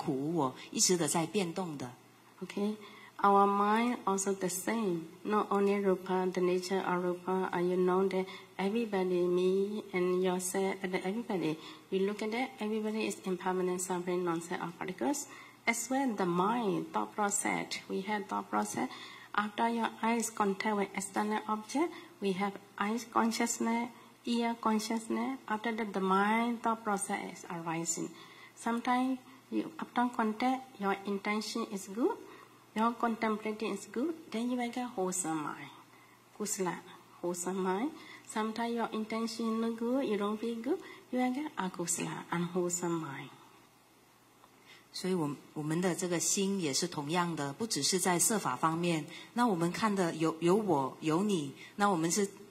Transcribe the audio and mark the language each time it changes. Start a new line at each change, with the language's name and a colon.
Chinese: 所以我们非常的执着我们的身体、我们的肌肤、我们的器官。那佛陀就鼓励我们说，不要想说这是我的眼睛，我们用世界分别观能够看到很多微小粒子一直的在生灭。所以到最后呢，根本没有眼球，我们的耳朵、我们的器官也能够看到，他们只是很多微小粒子一直的在生灭，而且他们是无常、苦、无我，一直的在变动的。Okay.
English: Our mind also the same, not only rupa, the nature of rupa, and you know that everybody, me and yourself, and everybody, you look at that, everybody is impermanent, suffering, non-self of particles. As well, the mind, thought process, we have thought process. After your eyes contact with external object, we have eyes consciousness, ear consciousness. After that, the mind, thought process is arising. Sometimes, you after contact, your intention is good, your contemplating is good, then you will get wholesome mind. Kusala, wholesome mind. Sometimes your intention is not good, you don't feel good, you will get akusala, unwholesome mind.
Chinese: 所以我们的这个心也是同样的，不只是在色法方面。那我们看的有我有你，那我们是。